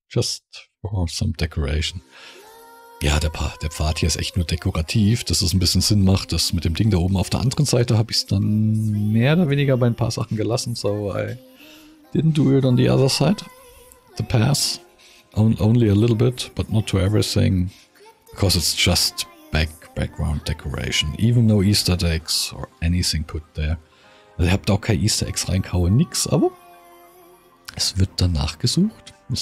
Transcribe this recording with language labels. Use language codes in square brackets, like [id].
[en] Just for some decoration. [de] Ja, der Pfad hier ist echt nur dekorativ, dass es ein bisschen Sinn macht. Das mit dem Ding da oben auf der anderen Seite habe ich es dann mehr oder weniger bei ein paar Sachen gelassen. [en] So I didn't do it on the other side. The pass. Only a little bit, but not to everything. Because it's just background decoration. Even no Easter eggs or anything put there. [de] Also ihr habt auch kein Easter eggs reinkauen, nix, aber es wird danach gesucht.